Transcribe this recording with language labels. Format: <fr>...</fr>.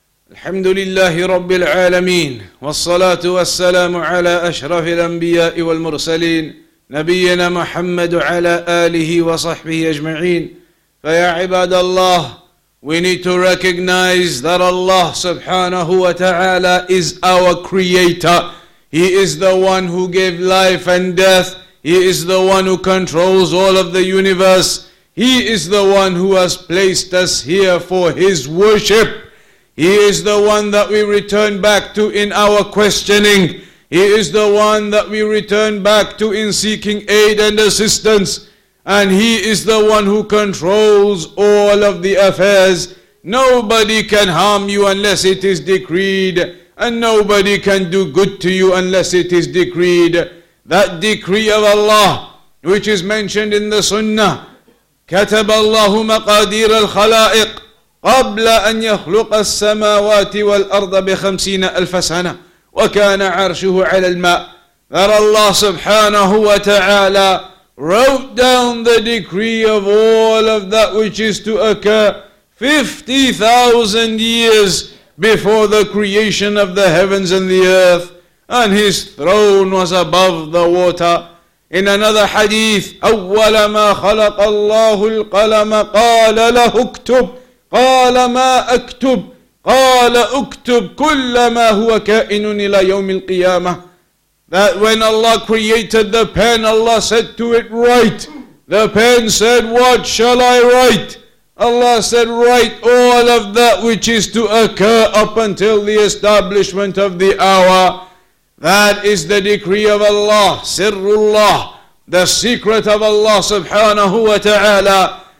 <ar>الحمد لله رب العالمين والصلاة والسلام على أشرف الأنبياء والمرسلين نبينا محمد على آله وصحبه أجمعين فيا عباد الله,</ar> <en>we need to recognize that Allah سبحانه وتعالى is our creator. He is the one who gave life and death. He is the one who controls all of the universe. He is the one who has placed us here for His worship. He is the one that we return back to in our questioning. He is the one that we return back to in seeking aid and assistance. And He is the one who controls all of the affairs. Nobody can harm you unless it is decreed. And nobody can do good to you unless it is decreed. That decree of Allah, which is mentioned in the Sunnah,</en> <ar>كَتَبَ اللَّهُ مَقَادِيرَ الْخَلَائِقِ قبل أن يخلق السماوات والأرض بخمسين ألف سنة وكان عرشه على الماء.</ar> <en>That Allah</en> <ar>سبحانه وتعالى</ar> <en>wrote down the decree of all of that which is to occur 50,000 years before the creation of the heavens and the earth, and His throne was above the water. In another hadith,</en> <ar>أول ما خلق الله القلم قال له اكتب قال ما أكتب قال أكتب كل ما هو كائن إلى يوم القيامة.</ar> <en>That when Allah created the pen, Allah said to it, write. The pen said, what shall I write? Allah said, write all of that which is to occur up until the establishment of the hour. That is the decree of Allah, sirrullah, the secret of Allah subhanahu wa ta'ala.</en>